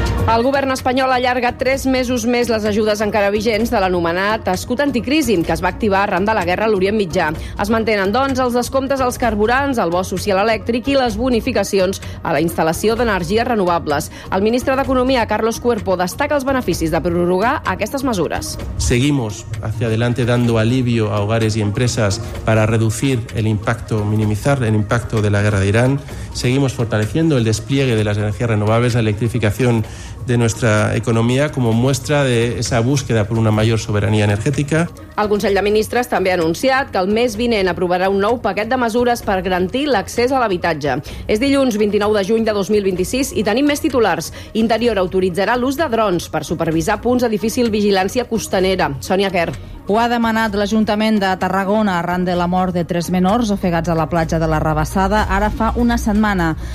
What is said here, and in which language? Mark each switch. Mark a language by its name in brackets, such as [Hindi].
[Catalan] El govern espanyol allarga 3 mesos més les ajudes encara vigents de l'anomenat escut anticrisi, que es va activar arran de la guerra a l'Orient Mitjà. Es mantenen, doncs, els descomptes als carburants, el bo social elèctric i les bonificacions a la instal·lació d'energies renovables. El ministre d'Economia, Carlos Cuerpo, destaca els beneficis de prorrogar aquestes mesures. [Spanish] Seguimos hacia adelante dando alivio a hogares y empresas para reducir el impacto, minimizar el impacto de la guerra de Irán. Seguimos fortaleciendo el despliegue de las energías renovables, la electrificación de nuestra economía como muestra de esa búsqueda por una mayor soberanía energética. [Catalan] El Consell de Ministres també ha anunciat que el mes vinent aprovarà un nou paquet de mesures per garantir l'accés a l'habitatge. És dilluns 29 de juny de 2026 i tenim més titulars. Interior autoritzarà l'ús de drons per supervisar punts de difícil vigilància costanera. Sònia Kerr. Ho ha demanat l'Ajuntament de Tarragona arran de la mort de 3 menors ofegats a la platja de la Rabassada ara fa una setmana.